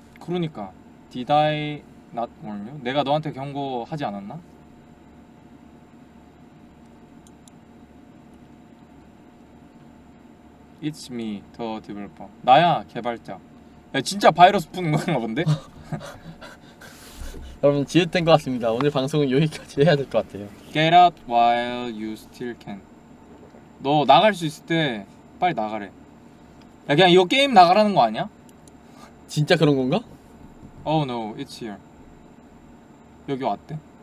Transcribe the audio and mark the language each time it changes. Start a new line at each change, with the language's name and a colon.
Korean: 그러니까
English: Did I not warn you?
Korean: 내가 너한테 경고하지 않았나?
English: 'It's me, the developer.
Korean: 나야, 개발자. 야, 진짜 바이러스 푸는 건가 본데? 여러분, 지읒된 것 같습니다. 오늘 방송은 여기까지 해야 될 것 같아요.
English: Get out while you still can.
Korean: 너 나갈 수 있을 때 빨리 나가래. 야, 그냥 이거 게임 나가라는 거 아니야? 진짜 그런 건가?
English: Oh no, it's here.
Korean: 여기 왔대.